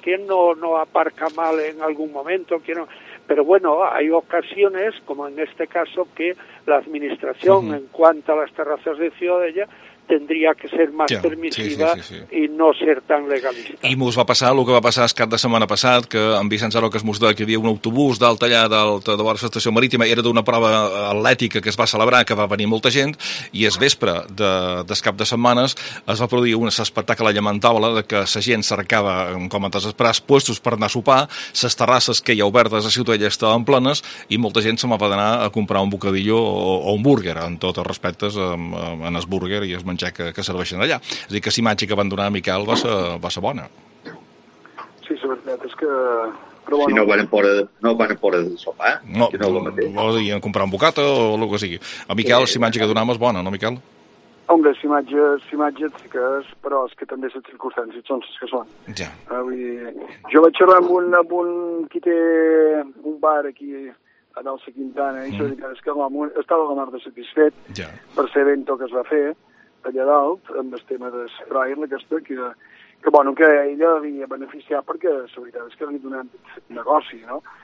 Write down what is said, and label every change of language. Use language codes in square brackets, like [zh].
[es] ¿Quién no aparca mal en algún momento? ¿Quién no? Pero bueno, hay ocasiones, como en este caso, que la administración, en cuanto a las terrazas de Ciudadella, tendría que ser más permissiva [ca] i no ser tan legalista. I mos va passar el que va passar el cap de setmana passat, que en Vicenç Aroques mos deia que hi havia un autobús d'alta allà de la estació marítima, era d'una prova atlètica que es va celebrar, que va venir molta gent, i es vespre del cap de setmanes es va produir un espectacle llamentable de que la gent cercava, com a desesperats, puestos per anar a sopar, les terrasses que hi ha obertes a Ciutadella estaven plenes i molta gent se'n va anar a comprar un bocadillo o un burger, en tots els respectes, en el burger i menjar que serveixen allà. És a dir, que la imatge que van donar a Miquel va ser bona. Sí, la veritat és que... Però bueno, si no van a fora del sopar, no és el mateix. No, vols dir, comprar un bocata o el que sigui. A Miquel, la imatge que donàvem és bona, no, Miquel? Hombre, la imatge sí que és, però és que també les circumstàncies són les que són. Ja. Vull dir, jo vaig xerrar amb un qui té un bar aquí a dalt la Quintana, i és que estava la mar de satisfet per ser evento que es va fer, allà dalt, amb el tema de Sprayer, aquesta, que ella havia beneficiat perquè, la veritat, és que li donant negoci, no?